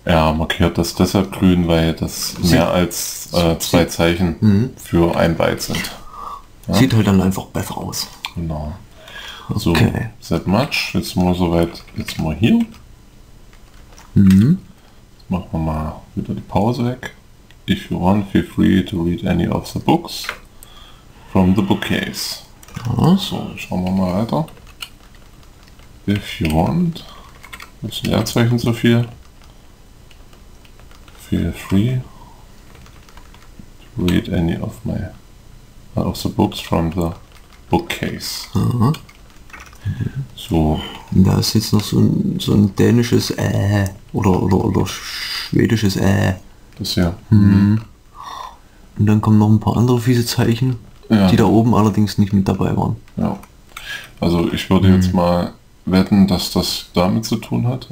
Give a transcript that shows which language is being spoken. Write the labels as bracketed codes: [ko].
[de] Ja, markiert das deshalb grün, weil das mehr als zwei Zeichen für ein Byte sind. Ja? Sieht halt dann einfach besser aus. Genau. So, okay. [en] That much, [de] jetzt mal soweit, jetzt mal hier. Jetzt machen wir mal wieder die Pause weg. [en] If you want, feel free to read any of the books from the bookcase. [de] So, schauen wir mal weiter. [en] If you want, [de] das Leerzeichen so viel. [en] Feel free to read any of the books from the bookcase. [de] So. Da ist jetzt noch so ein dänisches oder schwedisches Das ja. Und dann kommen noch ein paar andere fiese Zeichen, die da oben allerdings nicht mit dabei waren. Ja. Also ich würde jetzt mal wetten, dass das damit zu tun hat.